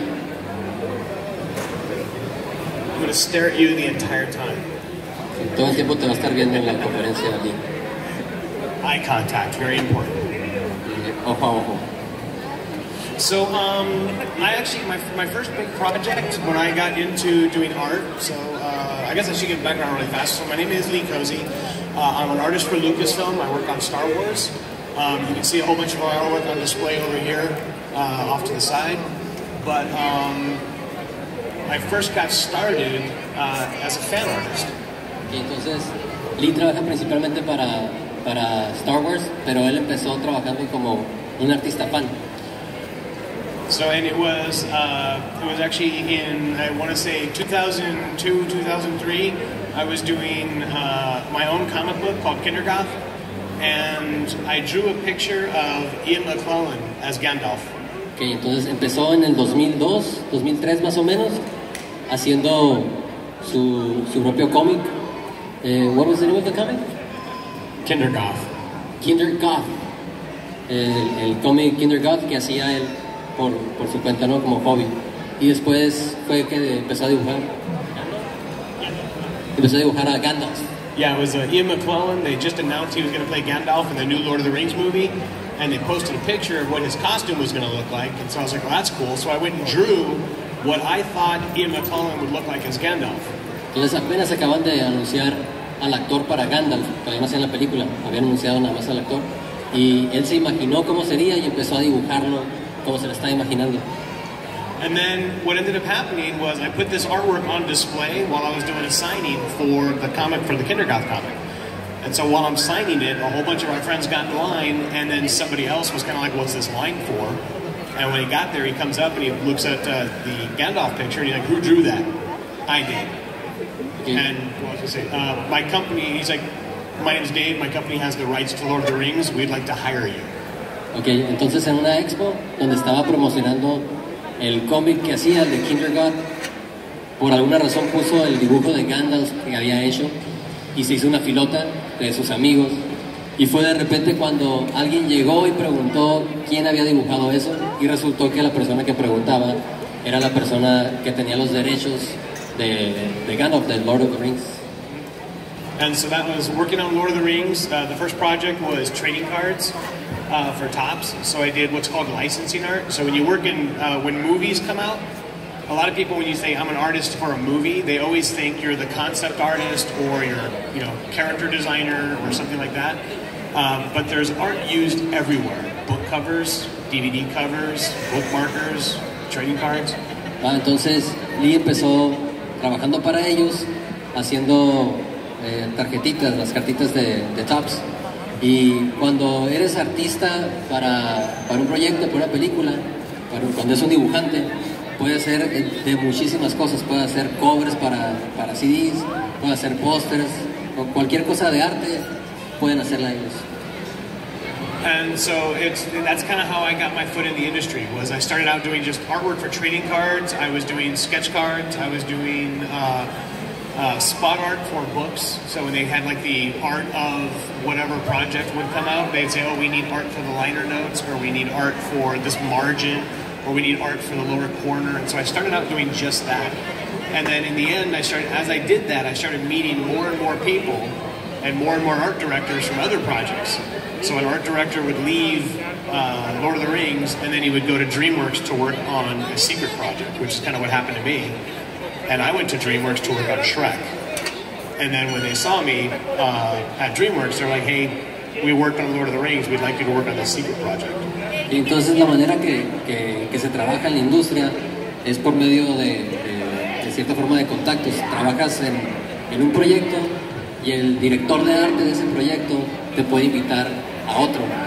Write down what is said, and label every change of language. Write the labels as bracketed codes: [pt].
[en] I'm going to stare at you the entire time. [es] Todo el tiempo te va a estar viendo en la conferencia de Lee. [en] Eye contact, very important. [es] Ojo a ojo. [en] So, my first big project when I got into doing art, so I guess I should give background really fast. So my name is Lee Kohse. I'm an artist for Lucasfilm. I work on Star Wars. You can see a whole bunch of my artwork on display over here, off to the side. But I first got started as a fan artist. [es] Entonces, Lee trabaja principalmente para Star Wars, pero él empezó trabajando como un artista fan. [en] So, and it was actually in, I want to say, 2002, 2003, I was doing my own comic book called Kindergarten, and I drew a picture of Ian McClellan as Gandalf. [es] Okay, entonces empezó en el 2002, 2003 más o menos, haciendo su propio cómic. [en] What was the name of the comic? Kindergarten. Kindergarten. [es] El cómic Kindergarten que hacía él por su cuenta, ¿no? Como hobby. Y después fue que empezó a dibujar. Empezó a dibujar a Gandalf. [en] Yeah, it was Ian McClellan. They just announced he was going to play Gandalf in the new Lord of the Rings movie. And they posted a picture of what his costume was going to look like. And so I was like, well, that's cool. So I went and drew what I thought Ian McClellan would look like as Gandalf. [es] Entonces apenas acaban de anunciar al actor para Gandalf, que había nacido en la película, habían anunciado nada más al actor, y él se imaginó cómo sería y empezó a dibujarlo como se lo estaba imaginando. [en] And then what ended up happening was I put this artwork on display while I was doing a signing for the comic, for the Kindergarten comic. And so while I'm signing it, a whole bunch of my friends got in line, and then somebody else was kind of like, what's this line for? And when he got there, he comes up and he looks at the Gandalf picture, and he's like, who drew that? I did. Okay. And what was I say? My company, he's like, my name's Dave, my company has the rights to Lord of the Rings, we'd like to hire you. [es] Okay, entonces en una expo donde estaba promocionando el cómic que hacía de Kindergarten, por alguna razón puso el dibujo de Gandalf que había hecho y se hizo una filota de sus amigos. Y fue de repente cuando alguien llegó y preguntó quién había dibujado eso, y resultó que la persona que preguntaba era la persona que tenía los derechos de Gandalf, de Lord of the Rings. [en] And so that was working on Lord of the Rings. The first project was trading cards for Tops. So I did what's called licensing art. So when you work in, when movies come out, a lot of people, when you say I'm an artist for a movie, they always think you're the concept artist or you're, you know, character designer or something like that. But there's art used everywhere. Book covers, DVD covers, bookmarkers, trading cards. [es] Entonces, Lee empezó trabajando para ellos, haciendo tarjetitas, las cartitas de Tops. Y cuando eres artista para un proyecto, para una película, cuando es un dibujante, puede ser de muchísimas cosas. Puede hacer covers para CDs, puede hacer pósters, o cualquier cosa de arte, pueden hacerla ellos. [en] And so that's kind of how I got my foot in the industry, was I started out doing just artwork for trading cards, I was doing sketch cards, I was doing spot art for books. So when they had like the art of whatever project would come out, they'd say, oh, we need art for the liner notes, or we need art for this margin, or we need art for the lower corner. And so I started out doing just that. And then in the end, as I did that, I started meeting more and more people and more art directors from other projects. So an art director would leave Lord of the Rings, and then he would go to DreamWorks to work on a secret project, which is kind of what happened to me. And I went to DreamWorks to work on Shrek. And then when they saw me at DreamWorks, they're like, hey, we worked on Lord of the Rings, we'd like you to work on this secret project. [es] Y entonces la manera que se trabaja en la industria es por medio de cierta forma de contactos. Trabajas en un proyecto, y el director de arte de ese proyecto te puede invitar a otro.